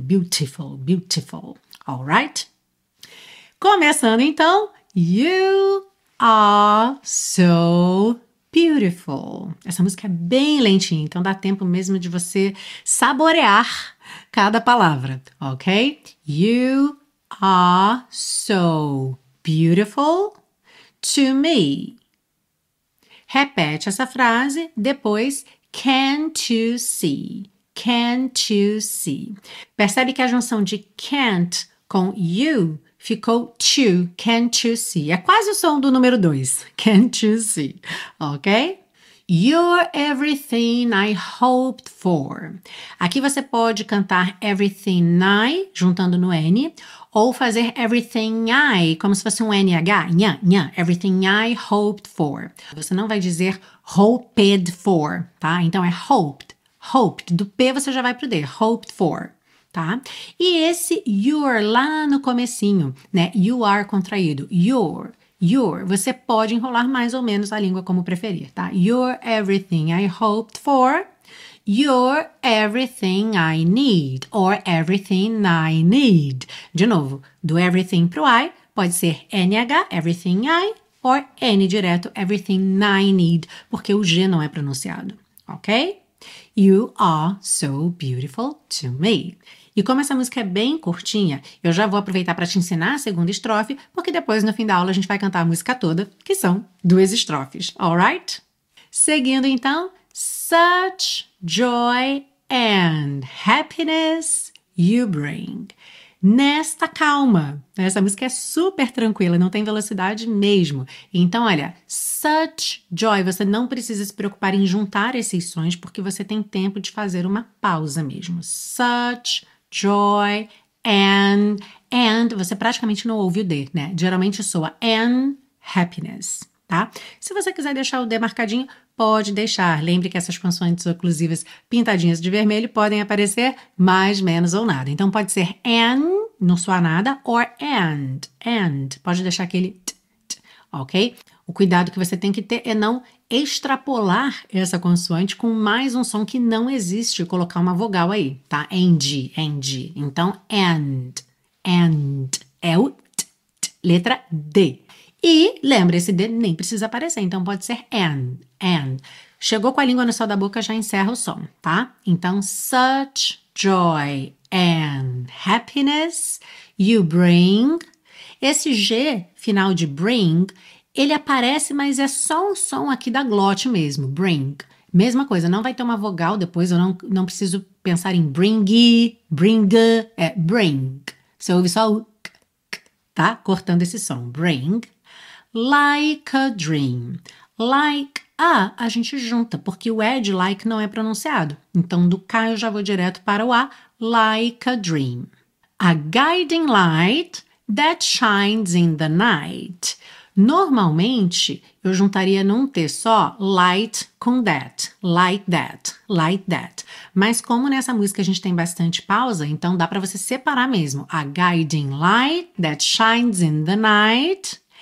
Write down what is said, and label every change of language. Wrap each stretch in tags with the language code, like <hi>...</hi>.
<en>Beautiful, beautiful. Alright?</en> <pt>Começando então,</pt> <en>you are so beautiful.</en> <pt>Essa música é bem lentinha, então dá tempo mesmo de você saborear cada palavra, ok?</pt> <en>You are so beautiful to me.</en> <pt>Repete essa frase, depois</pt> <en>can't you see? Can't you see?</en> <pt>Percebe que a junção de</pt> <en>can't com you ficou to, can't you see?</en> <pt>É quase o som do número 2, can't you see? Ok?</pt> <en>You're everything I hoped for.</en> <pt>Aqui você pode cantar everything I, juntando no N, ou fazer everything I, como se fosse um NH, nha, nha,</pt> <en>everything I hoped for.</en> <pt>Você não vai dizer</pt> <en>hoped for,</en> <pt>tá? Então é hoped, hoped, do P você já vai pro D, hoped for. Tá? E esse you're lá no comecinho, né?</pt> <en>You are</en> <pt>contraído.</pt> <en>You're, you're.</en> <pt>Você pode enrolar mais ou menos a língua como preferir, tá?</pt> <en>You're everything I hoped for. You're everything I need. Or everything I need.</en> <pt>De novo, do everything pro I, pode ser NH,</pt> <en>everything I,</en> <pt>or N direto, everything I need, porque o G não é pronunciado, ok?</pt> <en>You are so beautiful to me.</en> <pt>E como essa música é bem curtinha, eu já vou aproveitar para te ensinar a segunda estrofe, porque depois, no fim da aula, a gente vai cantar a música toda, que são duas estrofes, alright? Seguindo então,</pt> <en>such joy and happiness you bring.</en> <pt>Nesta calma, essa música é super tranquila, não tem velocidade mesmo. Então, olha,</pt> <en>such joy,</en> <pt>você não precisa se preocupar em juntar esses sons, porque você tem tempo de fazer uma pausa mesmo. Such joy, and, você praticamente não ouve o D, né? Geralmente soa</pt> <en>and happiness,</en> <pt>tá? Se você quiser deixar o D marcadinho, pode deixar. Lembre que essas consoantes oclusivas pintadinhas de vermelho podem aparecer mais, menos ou nada. Então pode ser and, não soa nada, or and. Pode deixar aquele t, t, ok? O cuidado que você tem que ter é não extrapolar essa consoante com mais um som que não existe, colocar uma vogal aí, tá? And, and. Então, and. É o t, t, letra D. E, lembra, esse D nem precisa aparecer, então pode ser and. Chegou com a língua no céu da boca, já encerra o som, tá? Então,</pt> <en>such joy and happiness you bring.</en> <pt>Esse G final de bring, ele aparece, mas é só um som aqui da glote mesmo, bring. Mesma coisa, não vai ter uma vogal depois, eu não preciso pensar em bringy, bring, é bring. Você ouve só o k, k, tá? Cortando esse som, bring.</pt> <en>Like a dream.</en> <pt>Like a gente junta, porque o ed like não é pronunciado. Então, do k eu já vou direto para o a, like a dream.</pt> <en>A guiding light that shines in the night.</en> <pt>Normalmente, eu juntaria num T só light com that,</pt> <en>like that, like that.</en> <pt>Mas como nessa música a gente tem bastante pausa, então dá para você separar mesmo.</pt> <en>A guiding light that shines in the night.</en>